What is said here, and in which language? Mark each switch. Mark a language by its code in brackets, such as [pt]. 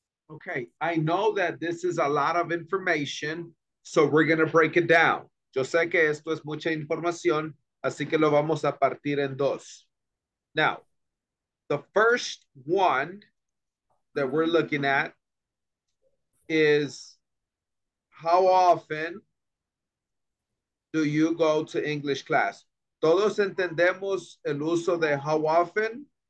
[en] Okay, I know that this is a lot of information, so we're going to break it down. [es] Yo sé que esto es mucha información, así que lo vamos a partir en dos. [en] Now, the first one that we're looking at is how often do you go to English class? [es] ¿Todos entendemos el uso de how often?